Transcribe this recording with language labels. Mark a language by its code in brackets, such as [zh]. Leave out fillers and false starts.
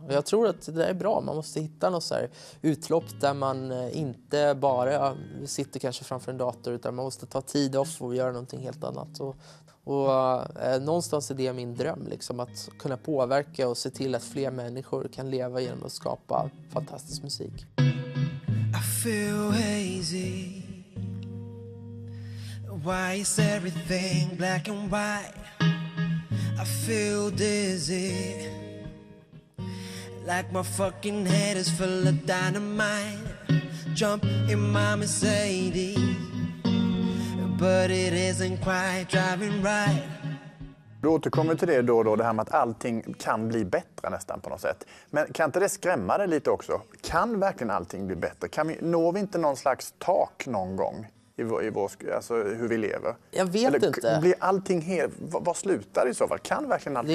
[sv] Och jag tror att det är bra. Man måste hitta något så här utlopp där man inte bara sitter kanske framför en dator. Utan man måste ta tid off och göra någonting helt annat. Och någonstans är det min dröm, liksom, att kunna påverka och se till att fler människor kan leva genom att skapa fantastisk musik. [en] I feel hazy. Why is everything black and white? I feel dizzy. Like my fucking head is full of dynamite. Jump in my Mercedes. But it isn't quite driving right. [sv] Du återkommer till det då, det här med att allting kan bli bättre nästan på något sätt. Men kan inte det skrämma dig lite också? Kan verkligen allting bli bättre? Når vi inte någon slags tak någon gång alltså hur vi lever? Jag vet eller, inte. Blir allting vad slutar i så fall? Kan verkligen allting bli